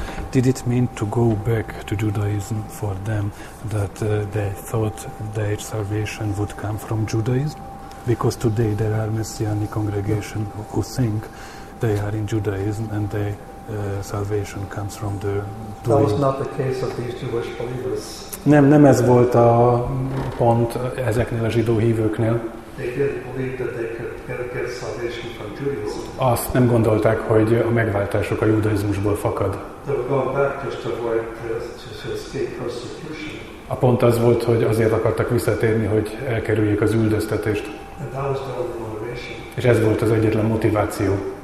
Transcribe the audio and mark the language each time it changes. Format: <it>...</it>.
<en>Did it mean to go back to Judaism for them that they thought their salvation would come from Judaism? Because today there are Messianic congregations who think they are in Judaism and their salvation comes from the Judaism. That was not the case of these Jewish believers.</en> <hu>Nem ez volt a pont ezeknél a zsidó hívőknél.</hu> <en>They didn't believe that they could get salvation from Judaism.</en> <hu>Azt nem gondolták, hogy a megváltásuk a judaizmusból fakad.</hu> <en>They were going back just to avoid to escape persecution.</en> <hu>A pont az volt, hogy azért akartak visszatérni, hogy elkerüljék az üldöztetést.</hu> <en>And that was the only motivation.</en> <hu>És ez volt az egyetlen motiváció.</hu>